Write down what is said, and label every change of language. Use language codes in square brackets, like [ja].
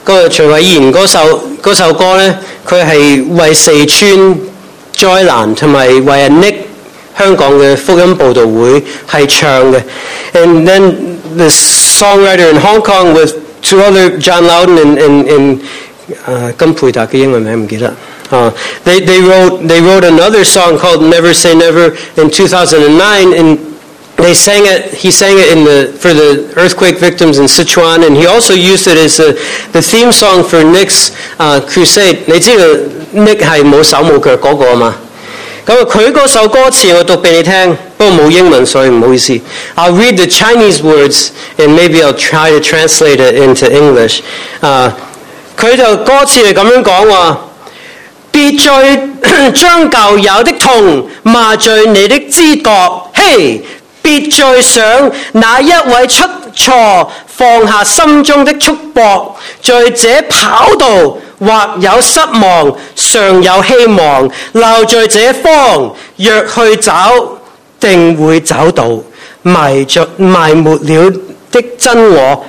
[zh] 徐伟贤那首歌呢，他是为四川灾难和为 Nick 香港的福音报道会是唱的。 [en] And then the songwriter in Hong Kong with two other John Loudon and [zh] 金佩达的英文名字忘记了。 [en] They wrote another song called Never Say Never in 2009 andHe sang it for the earthquake victims in Sichuan, and he also used it as the theme song for Nick's crusade. [zh] 你知道 Nick 是没手没脚那个吗？他那首歌词我读给你听，不过没英文，所以不好意思。 I'll read the Chinese words, and maybe I'll try to translate it into English. 他的歌词是这样说的，别再将旧有的痛麻醉你的知觉，嘿！别再想哪一位出错，放下心中的束缚，在这跑道或有失望，尚有希望，留在这方，若去找，定会找到埋没了的真我。